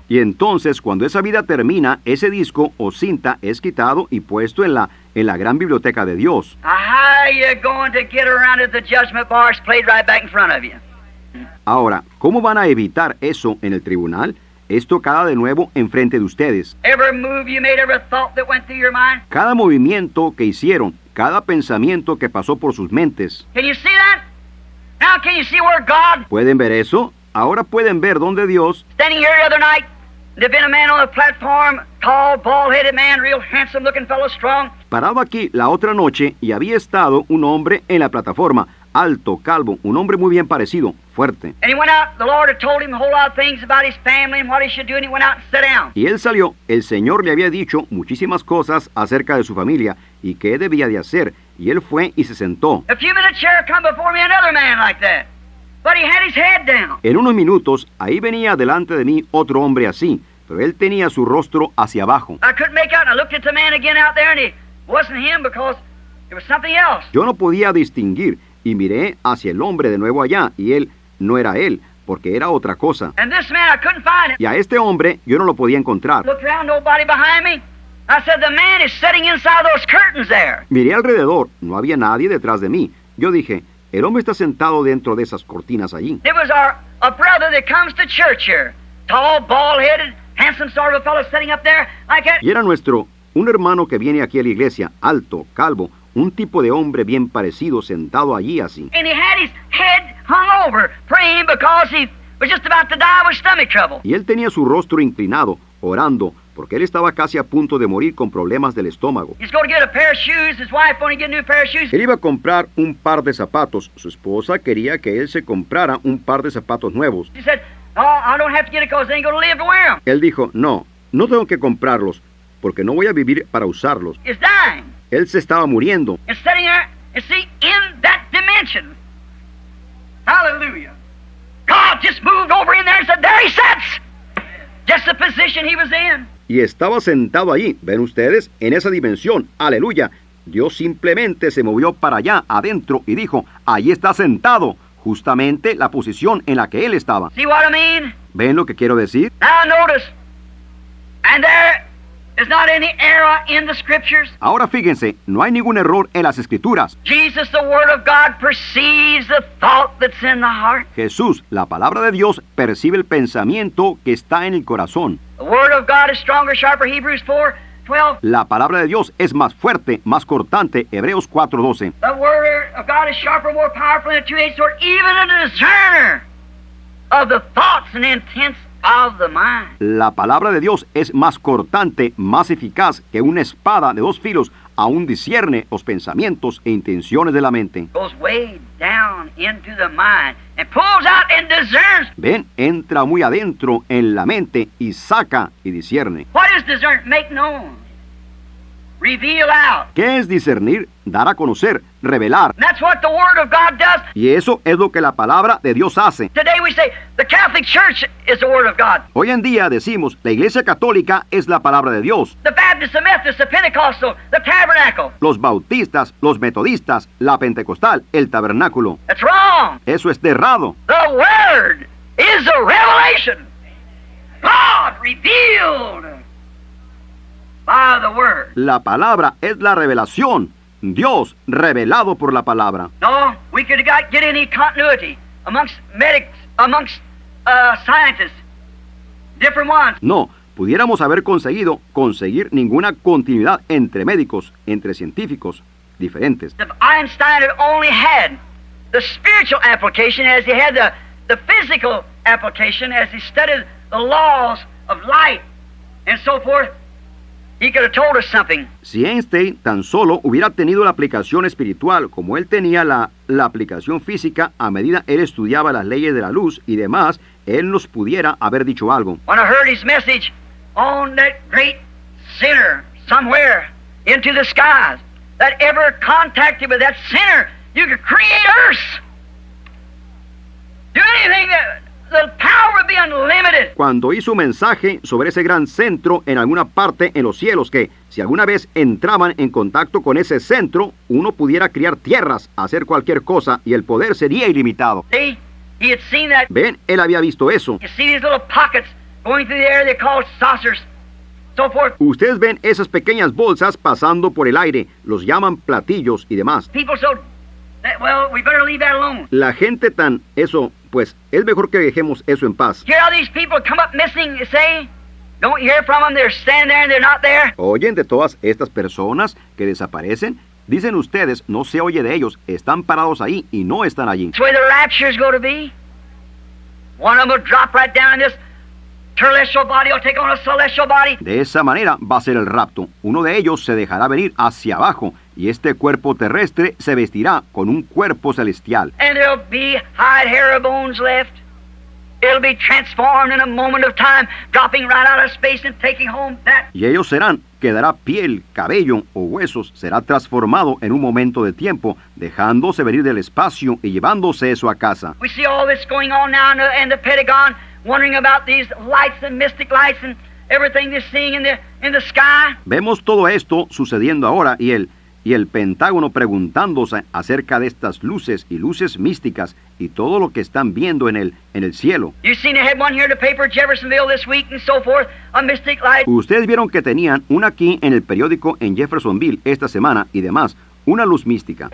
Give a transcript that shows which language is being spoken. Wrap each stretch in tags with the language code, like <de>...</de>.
<es>Y entonces, cuando esa vida termina, ese disco o cinta es quitado y puesto en la gran biblioteca de Dios.</es> <en>How are you going to get around if the judgment bar is played right back in front of you?</en> <es>Ahora, ¿cómo van a evitar eso en el tribunal? Es tocada de nuevo enfrente de ustedes.</es> <en>Every move you made, every thought that went through your mind.</en> <es>Cada movimiento que hicieron, cada pensamiento que pasó por sus mentes.</es> <en>Can you see that? Now can you see where God?</en> <es>¿Pueden ver eso? Ahora pueden ver dónde Dios.</es> <en>Standing here the other night, there'd been a man on the platform, tall, bald-headed man, real handsome-looking fellow, strong.</en> <es>Parado aquí la otra noche y había estado un hombre en la plataforma. Alto, calvo, un hombre muy bien parecido, fuerte.</es> <en>And he went out, the Lord had told him a whole lot of things about his family and what he should do, and he went out and sat down.</en> <es>Y él salió, el Señor le había dicho muchísimas cosas acerca de su familia y qué debía de hacer, y él fue y se sentó.</es> <en>A few minutes here come before me another man like that, but he had his head down.</en> <es>En unos minutos, ahí venía delante de mí otro hombre así, pero él tenía su rostro hacia abajo.</es> <en>I couldn't make out, and I looked at the man again out there, and it wasn't him because it was something else.</en> <es>Yo no podía distinguir. Y miré hacia el hombre de nuevo allá, y él no era él, porque era otra cosa.</es> <en>And this man, I couldn't find him.</en> <es>Y a este hombre, yo no lo podía encontrar.</es> <en>Looked around, nobody behind me. I said, the man is sitting inside those curtains there.</en> <es>Miré alrededor, no había nadie detrás de mí. Yo dije, el hombre está sentado dentro de esas cortinas allí.</es> <en>It was a brother that comes to church here. Tall, bald-headed, handsome sort of a fellow sitting up there. Like that.</en> <es>Y era un hermano que viene aquí a la iglesia, alto, calvo, un tipo de hombre bien parecido sentado allí así.</es> <en>And he had his head hung over, praying because he was just about to die with stomach trouble.</en> <es>Y él tenía su rostro inclinado, orando, porque él estaba casi a punto de morir con problemas del estómago.</es> <en>He's going to get a pair of shoes, his wife wanted to get a new pair of shoes.</en> <es>Él iba a comprar un par de zapatos. Su esposa quería que él se comprara un par de zapatos nuevos.</es> <en>He said, oh, I don't have to get it because I ain't going to live to wear them.</en> <es>Él dijo, no, no tengo que comprarlos, porque no voy a vivir para usarlos.</es> <en>He's dying.</en> <es>Él se estaba muriendo.</es> <en>And sitting there, you see, in that dimension. Hallelujah. God just moved over in there and said, there he sits. Just the position he was in.</en> <es>Y estaba sentado ahí, ven ustedes, en esa dimensión. Aleluya. Dios simplemente se movió para allá, adentro, y dijo, ahí está sentado. Justamente la posición en la que él estaba.</es> <en>See what I mean?</en> <es>¿Ven lo que quiero decir?</es> <en>Now notice. And there... There's not any error in the scriptures.</en> <es>Ahora fíjense, no hay ningún error en las escrituras.</es> <en>Jesus, the word of God, perceives the thought that's in the heart.</en> <es>Jesús, la palabra de Dios, percibe el pensamiento que está en el corazón.</es> <en>The word of God is stronger, sharper, Hebrews 4, 12.</en> <es>La palabra de Dios es más fuerte, más cortante, Hebreos 4, 12.</es> <en>The word of God is sharper, more powerful than a two-edged sword, even a discerner of the thoughts and intents.</en> <es>La palabra de Dios es más cortante, más eficaz que una espada de dos filos, aún discierne los pensamientos e intenciones de la mente.</es> <en>Goes way down into the mind and pulls out and discerns.</en> <es>Ven, entra muy adentro en la mente y saca y discierne.</es> <en>What is discern? Make known. Reveal out.</en> <es>¿Qué es discernir? Dar a conocer, revelar.</es> <en>And that's what the Word of God does.</en> <es>Y eso es lo que la palabra de Dios hace.</es> <en>Today we say the Catholic Church is the Word of God.</en> <es>Hoy en día decimos la Iglesia Católica es la palabra de Dios.</es> <en>The Baptist, the Methodist, the Pentecostal, the Tabernacle.</en> <es>Los bautistas, los metodistas, la pentecostal, el tabernáculo.</es> <en>That's wrong.</en> <es>Eso es errado.</es> <en>The Word is a revelation. God revealed by the Word.</en> <es>La palabra es la revelación. Dios revelado por la palabra.</es> <en>No, we could not get any continuity amongst medics, amongst scientists, different ones.</en> <es>No, pudiéramos haber conseguir ninguna continuidad entre médicos, entre científicos diferentes.</es> <en>If Einstein had only had the spiritual application as he had the physical application as he studied the laws of light and so forth, he could have told us something.</en> <es>Si Einstein tan solo hubiera tenido la aplicación espiritual como él tenía la aplicación física a medida él estudiaba las leyes de la luz y demás, él nos pudiera haber dicho algo.</es> <en>When I heard his message on that great sinner somewhere into the skies that ever contacted with that sinner, you could create Earth. Do anything that... The power would be unlimited.</en> <es>Cuando hizo un mensaje sobre ese gran centro en alguna parte en los cielos que si alguna vez entraban en contacto con ese centro uno pudiera crear tierras, hacer cualquier cosa y el poder sería ilimitado.</es> <en>See? He had seen that.</en> <es>Ven, él había visto eso.</es> <en>You see these little pockets going through the air, they're called saucers, so forth.</en> <es>Ustedes ven esas pequeñas bolsas pasando por el aire, los llaman platillos y demás.</es> <en>People so that, well, we better leave that alone.</en> <es>La gente tan eso. Pues es mejor que dejemos eso en paz.</es> <en>Hear all these people come up missing, say? Don't hear from them, they're standing there and they're not there.</en> <es>¿Oyen de todas estas personas que desaparecen? Dicen ustedes, no se oye de ellos, están parados ahí y no están allí.</es> <en>That's where the rapture is going to be. One of them will drop right down in this terrestrial body, will take on a celestial body.</en> <es>De esa manera va a ser el rapto. Uno de ellos se dejará venir hacia abajo. Y este cuerpo terrestre se vestirá con un cuerpo celestial.</es> <en>And there'll be hide, hair, bones left. It'll be transformed in a moment of time, dropping right out of space and taking home that.</en> <es>Y ellos serán, quedará piel, cabello o huesos, será transformado en un momento de tiempo, dejándose venir del espacio y llevándose eso a casa.</es> <en>We see all this going on now in the Pentagon, wondering about these lights and mystic lights and everything they're seeing in the sky.</en> <es>Vemos todo esto sucediendo ahora y el Pentágono preguntándose acerca de estas luces y luces místicas y todo lo que están viendo en el cielo.</es> <en>You've seen they had one here in the paper, Jeffersonville, this week and so forth, a mystic light.</en> <es>Ustedes vieron que tenían una aquí en el periódico en Jeffersonville esta semana y demás, una luz mística.</es>